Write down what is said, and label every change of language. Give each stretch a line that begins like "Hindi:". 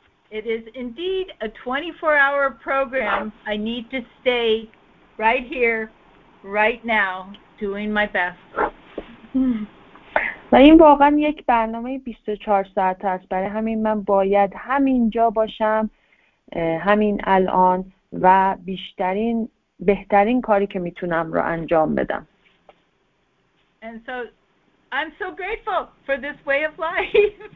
English: It is indeed a 24-hour program. I need to stay right here, right now, doing my best.
Persian: و این واقعا یک برنامه 24 ساعت است. برای همین من باید همین جا باشم، همین الان و بهترین کاری که میتونم رو انجام بدم.
English: And so, I'm so grateful for this way of life.